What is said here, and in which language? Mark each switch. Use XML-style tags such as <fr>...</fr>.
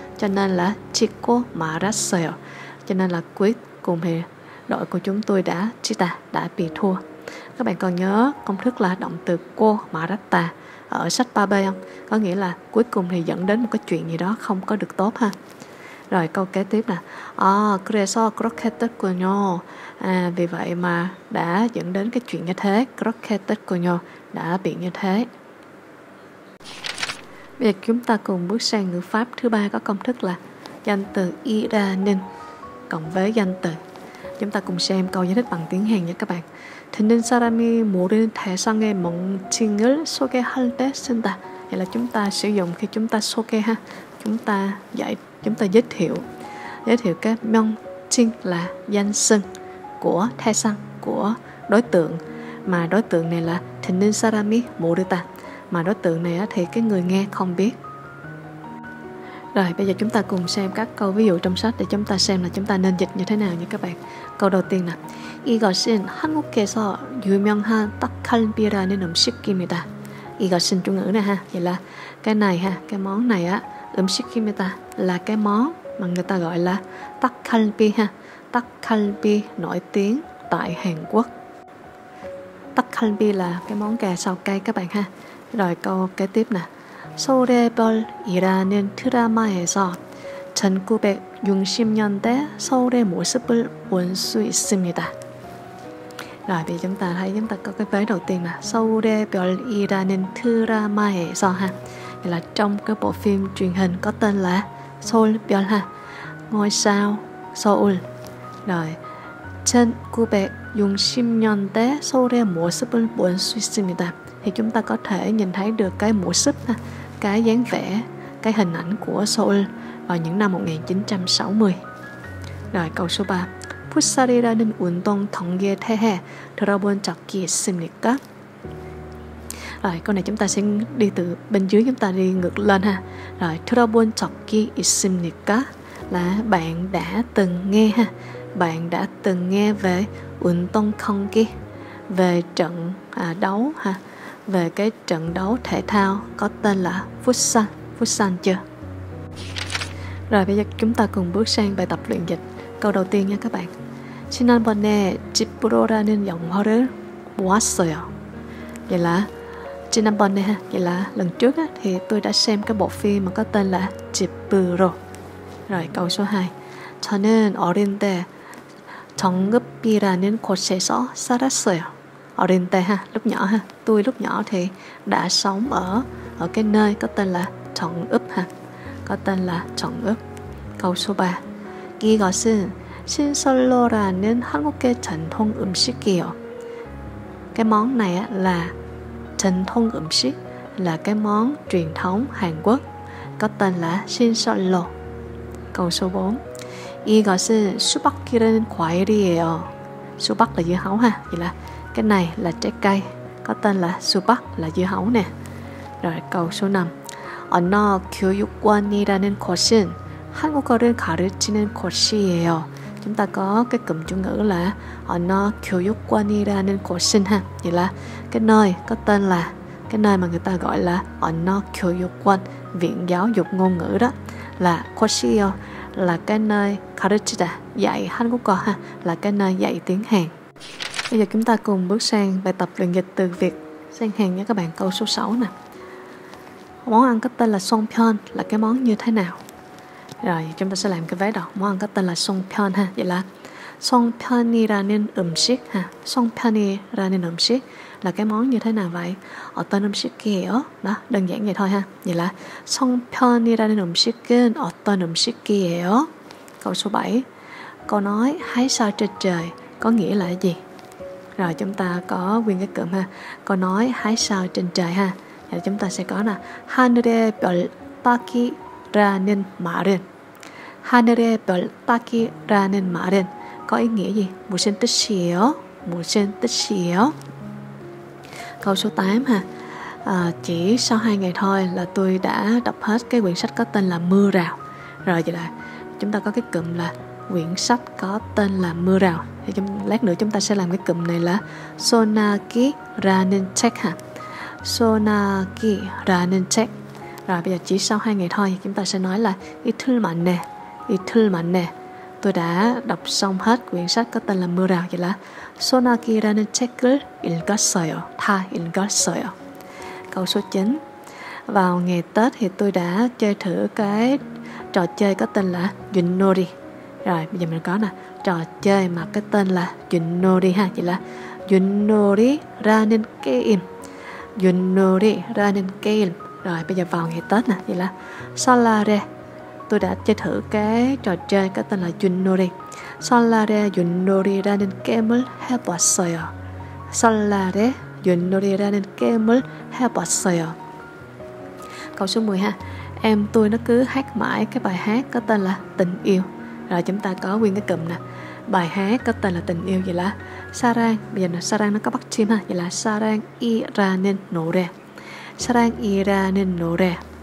<vi>Cho nên là</vi> <ko>지고 말았어요.</ko> <vi>Cho nên là cuối cùng thì đội của chúng tôi đã 지다, đã bị thua. Các bạn còn nhớ công thức là động từ cô mà rất tà ở sách 3B không? Có nghĩa là cuối cùng thì dẫn đến một cái chuyện gì đó không có được tốt ha. Rồi câu kế tiếp nè.</vi> <ko>À, 그래서 그렇게 됐군요.</ko> <vi>À, vì vậy mà đã dẫn đến cái chuyện như thế. 그렇게 됐군요. Đã bị như thế. Bây giờ chúng ta cùng bước sang ngữ pháp thứ ba có công thức là danh từ 이라는 cộng với danh từ. Chúng ta cùng xem câu giải thích bằng tiếng Hàn nha các bạn.</vi> <ko>듣는 사람이 모르는 대상의 명칭을 소개할 때 쓴다.</ko> <vi>Vậy là chúng ta sử dụng khi chúng ta 소개 ha. Chúng ta giải, chúng ta giới thiệu. Giới thiệu cái 명칭 là danh xưng của 대상, của đối tượng. Mà đối tượng này là</vi> <ko>듣는 사람이 모르다.</ko> <vi>Mà đối tượng này thì cái người nghe không biết. Rồi bây giờ chúng ta cùng xem các câu ví dụ trong sách để chúng ta xem là chúng ta nên dịch như thế nào nha các bạn. Câu đầu tiên nè.</vi> <ko>이것은 한국에서 유명한 떡갈비라는 음식입니다. 이것은</ko> <vi>Trung ngữ nè ha. Vậy là cái này ha, cái món này á,</vi> <ko>음식입니다</ko> <vi>là cái món mà người ta gọi là 떡갈비 ha. 떡갈비 nổi tiếng tại Hàn Quốc. 떡갈비 là cái món gà xào cay các bạn ha. Rồi câu kế tiếp nè.</vi> <ko>서울의 별이라는 드라마에서 1960년대 서울의 모습을 볼 수 있습니다.</ko> <vi>Rồi, thì chúng ta thấy chúng ta có cái vế đầu tiên là</vi> <ko>Seoul의 별이라는 드라마에서</ko> <vi>ha. Thì là trong cái bộ phim truyền hình có tên là Seoul 별 ha. Ngôi sao Seoul.</vi> <ko>Rồi, 1960년대 Seoul의 모습을 볼 수 있습니다.</ko> <vi>Thì chúng ta có thể nhìn thấy được cái mô sức ha, cái dáng vẻ, cái hình ảnh của Seoul vào những năm 1960. Rồi, câu số 3.</vi> <ko>풋살이라는 운동 경기에 대해 들어본 적이 있습니까?</ko> <vi>Rồi, câu này chúng ta sẽ đi từ bên dưới chúng ta đi ngược lên ha.</vi> <ko>Rồi, 들어본 적이 있습니까?</ko> <vi>Là bạn đã từng nghe ha. Bạn đã từng nghe về</vi> <ko>운동 경기,</ko> <vi>về trận đấu ha. Về cái trận đấu thể thao có tên là futsal. Futsal chưa? Rồi, bây giờ chúng ta cùng bước sang bài tập luyện dịch. Câu đầu tiên nha các bạn.</vi> <ko>지난번에 집으로라는 영화를 보았어요.</ko> <vi>Vậy là</vi> <ko>지난번에</ko> <vi>ha, vậy là lần trước á thì tôi đã xem cái bộ phim mà có tên là 집으로. Rồi câu số 2.</vi> <ko>저는 어린 때 정읍이라는 곳에서 살았어요. 어린 때</ko> <vi>ha, lúc nhỏ ha. Tôi lúc nhỏ thì đã sống ở cái nơi có tên là 정읍 ha. Có tên là 정읍. Câu số 3.</vi> <ko>이것은 신설로라는 한국의 전통 음식이에요.</ko> <vi>Cái món này là</vi> <ko>전통 음식,</ko> <vi>là cái món truyền thống Hàn Quốc, có tên là 신설로. Câu số 4.</vi> <ko>이것은 수박이라는 과일이에요.</ko> <vi>수박 là dưa hấu ha. Vậy là cái này là trái cây, có tên là 수박, là dưa hấu nè. Rồi câu số 5.</vi> <ko>언어 교육원이라는 곳은 한국어를 가르치는 곳이에요.</ko> <vi>Chúng ta có cái cụm chủ ngữ là</vi> <ko>언어 교육원이라는 곳은</ko> <vi>ha. Vậy là cái nơi có tên là cái nơi mà người ta gọi là</vi> <ko>언어 교육원,</ko> <vi>viện giáo dục ngôn ngữ đó, là</vi> <ko>곳이에요,</ko> <vi>là cái nơi 가르치다, dạy 한국어 ha, là cái nơi dạy tiếng Hàn. Bây giờ chúng ta cùng bước sang bài tập luyện dịch từ Việt sang Hàn nha các bạn. Câu số 6 nè. Món ăn có tên là 송편 là cái món như thế nào? Rồi chúng ta sẽ làm cái vế đầu. Món ăn có tên là 송편 ha. Vậy là</vi> <ko>송편이라는 음식</ko> <vi>ha.</vi> <ko>송편이라는 음식</ko> <vi>là cái món như thế nào vậy?</vi> <ko>어떤 음식이에요?</ko> <vi>Đó, đơn giản vậy thôi ha.</vi> <ko>Vậy là 송편이라는 음식은 어떤 음식이에요?</ko> <vi>Câu số 7. Câu nói hái sao trên trời có nghĩa là gì? Rồi chúng ta có quyền cái cụm ha. Câu nói hái sao trên trời ha. Rồi chúng ta sẽ có nè,</vi> <ko>하늘의 별 따기라는 말은,</ko> <vi>하늘의 별 따기라는 말은 có ý nghĩa gì?</vi> <ko>무슨 뜻이에요? 무슨 뜻이에요?</ko> <vi>Câu số 8 ha. Chỉ sau 2 ngày thôi là tôi đã đọc hết cái quyển sách có tên là Mưa Rào. Rồi vậy là chúng ta có cái cụm là quyển sách có tên là Mưa Rào. Thì lát nữa chúng ta sẽ làm cái cụm này là</vi> <ko>소나기라는 책</ko> <vi>ha.</vi> <ko>소나기라는 책.</ko> <vi>Rồi bây giờ chỉ sau 2 ngày thôi chúng ta sẽ nói là</vi> <ko>이틀 만에</ko> <vi>tôi đã đọc xong hết quyển sách có tên là Mưa Rào.</vi> <ko>Vậy là 소나기라는 책을 읽었어요. 다 읽었어요.</ko> <vi>Câu số 9. Vào ngày Tết thì tôi đã chơi thử cái trò chơi có tên là 윷놀이. Rồi bây giờ mình có nè, trò chơi mà cái tên là 윷놀이 ha.</vi> <ko>Vậy là 윷놀이라는 게임. 윷놀이라는 게임.</ko> <vi>Rồi bây giờ vào ngày Tết nè, vậy là</vi> <ko>설날에</ko> <vi>tôi đã chơi thử cái trò chơi có tên là 윷놀이.</vi> <ko>설날에 윷놀이라는 게임을 해봤어요. 설날에 윷놀이라는 게임을 해봤어요.</ko> <vi>Câu số 10 ha. Em tôi nó cứ hát mãi cái bài hát có tên là tình yêu. Rồi chúng ta có nguyên cái cụm nè. Bài hát có tên là tình yêu, vậy là 사랑. Bây giờ là 사랑 nó có bắt chim ha. Vậy là</vi> <ko>사랑이라는 노래. 사랑이라는 노래.</ko>